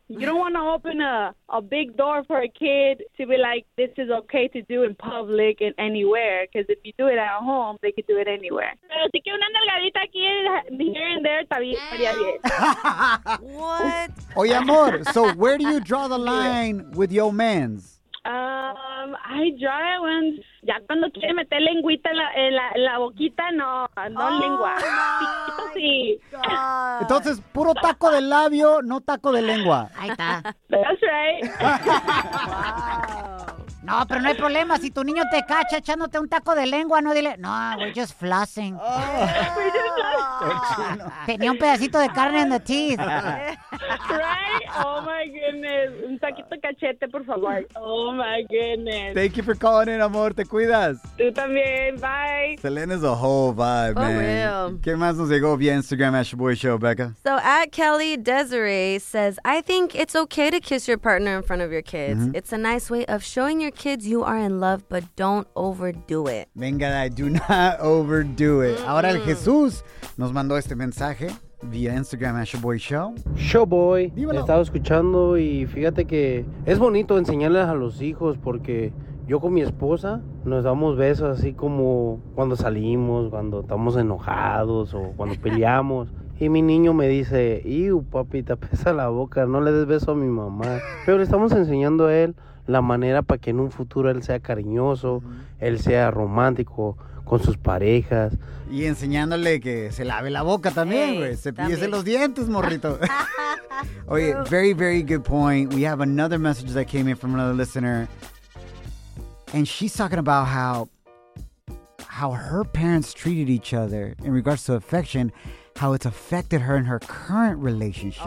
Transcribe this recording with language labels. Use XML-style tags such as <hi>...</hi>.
<en>You don't want to open a big door for a kid to be like, this is okay to do in public and anywhere. Because if you do it at home, they could do it anywhere.</en> <es>Pero sí que una nalgadita aquí,</es> <en>here and there,</en> <es>estaría bien.</es> <en>What?</en> <es>Oye, amor,</es> <en>so where do you draw the line with your mans? I draw it when...</en> <es>Ya cuando quiere meter lengüita en la boquita, no lengua. Sí. Entonces, puro taco de labio, no taco de lengua. Ahí está.</es> <en>That's right.</en> <es>Wow. No, pero no hay problema. Si tu niño te cacha echándote un taco de lengua, no dile, no,</es> <en>we're just flossing.</en> <es>Tenía un pedacito de carne en</es> <en>the teeth. Right? Oh, my goodness.</en> <es>Un taquito cachete, por favor.</es> <en>Oh, my goodness. Thank you for calling in, amor.</en> <es>Te cuidas. Tú también.</es> <en>Bye. Selena's a whole vibe, for man. Real.</en> <es>¿Qué más nos llegó via Instagram at Shaboy Show, Becca?</es> <en>So, at Kelly Desiree says, I think it's okay to kiss your partner in front of your kids. Mm-hmm. It's a nice way of showing your kids you are in love, but don't overdo it.</en> <es>Venga,</es> <en>do not overdo it. Mm-hmm.</en> <es>Ahora el Jesús nos mandó este mensaje vía Instagram a Showboy Show. Showboy, he estado escuchando y fíjate que es bonito enseñarles a los hijos porque yo con mi esposa nos damos besos así como cuando salimos, cuando estamos enojados o cuando peleamos. Y mi niño me dice, ¡iu, papi, te pesa la boca, no le des beso a mi mamá! Pero le estamos enseñando a él la manera para que en un futuro él sea cariñoso, él sea romántico con sus parejas. Y enseñándole que se lave la boca también, güey. Cepíllese los dientes, morrito. Oye,</es> <en>very, very good point. We have another message that came in from another listener. And she's talking about how her parents treated each other in regards to affection, how it's affected her in her current relationship.</en>